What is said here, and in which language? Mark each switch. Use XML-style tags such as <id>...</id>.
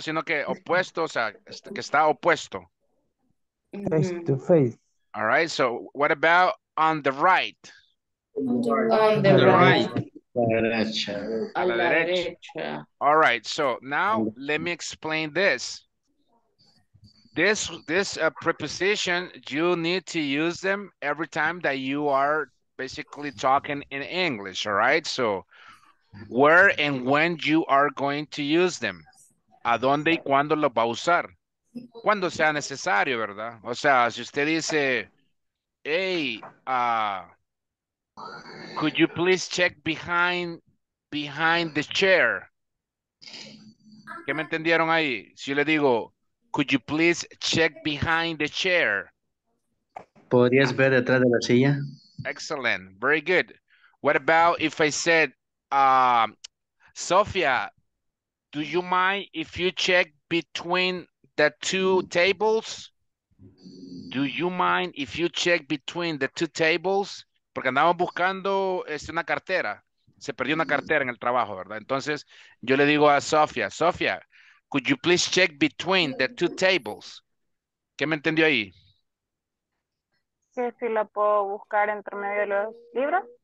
<es>Sino que opuesto, o sea, que está opuesto.</es> <en>Face to face. All right, so what about on the right? On the right.</en> <es>A la derecha.</es> <en>All right, so now let me explain this. This preposition, you need to use them every time that you are basically talking in English, all right? So where and when you are going to use them.</en> <es>¿A dónde y cuándo los va a usar? Cuando sea necesario, ¿verdad? O sea, si usted dice,</es> <en>hey, could you please check behind the chair?</en> <es>¿Qué me entendieron ahí? Si yo le digo,</es> <en>could you please check behind the chair?</en> <es>¿Podrías ver detrás de la silla?</es> <en>Excellent. Very good. What about if I said, Sofía, do you mind if you check between the two tables? Do you mind if you check between the two tables?</en> <es>Porque andamos buscando una cartera. Se perdió una cartera en el trabajo, ¿verdad? Entonces, yo le digo a Sofía, Sofía,</es> <en>could you please check between the two tables?</en> <es>¿Qué me entendió ahí? Que si la puedo buscar entre medio de los libros.</es>